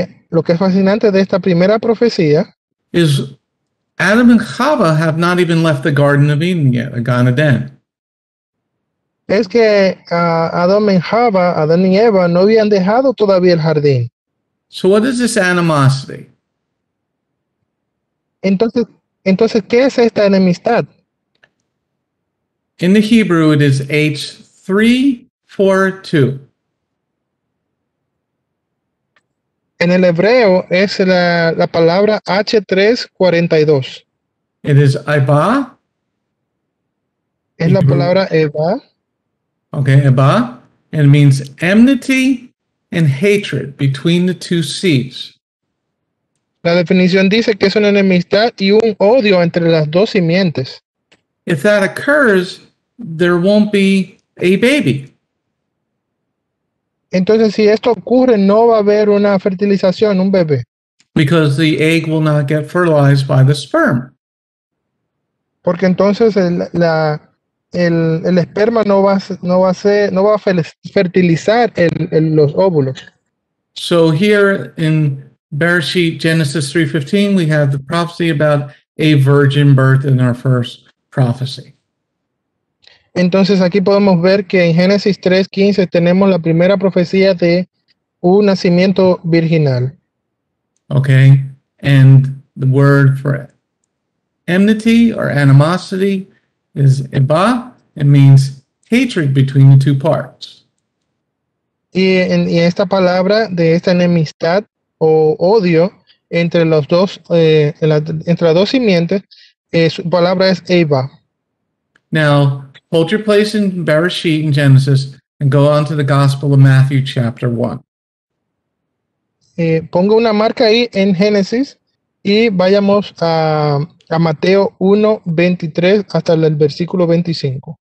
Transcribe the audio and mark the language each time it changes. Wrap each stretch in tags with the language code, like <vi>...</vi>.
<es>Lo que es fascinante de esta primera profecía</es> <en>is Adam and Chava have not even left the Garden of Eden yet, a Gan Eden.</en> <es>Es que Adán y Eva no habían dejado todavía el jardín.</es> <en>So, what is this animosity?</en> <es>Entonces, ¿qué es esta enemistad?</es> <en>In the Hebrew, it is H342.</en> <es>En el hebreo es la palabra H342.</es> <en>It is Eva.</en> <es>Es Hebrew. La palabra Eva.</es> <en>Okay, Eva. And it means enmity and hatred between the two seeds.</en> <es>La definición dice que es una enemistad y un odio entre las dos simientes.</es> <en>If that occurs, there won't be a baby.</en> <es>Entonces, si esto ocurre, no va a haber una fertilización, un bebé.</es> <en>Because the egg will not get fertilized by the sperm.</en> <es>Porque entonces el esperma no va a fertilizar los óvulos.</es> <en>So here in Bereshit Genesis 3:15, we have the prophecy about a virgin birth in our first prophecy.</en> <es>Entonces aquí podemos ver que en Génesis 3:15 tenemos la primera profecía de un nacimiento virginal.</es> <en>Okay, and the word for enmity or animosity is eba. It means hatred between the two parts.</en> <es>Y esta palabra de esta enemistad o odio entre los dos entre las dos simientes, su palabra es eba.</es> <en>Now, hold your place in Bereshit in Genesis and go on to the Gospel of Matthew chapter 1.</en> <es>Pongo una marca ahí en Génesis y vayamos a Mateo 1, 23 hasta el versículo 25.</es>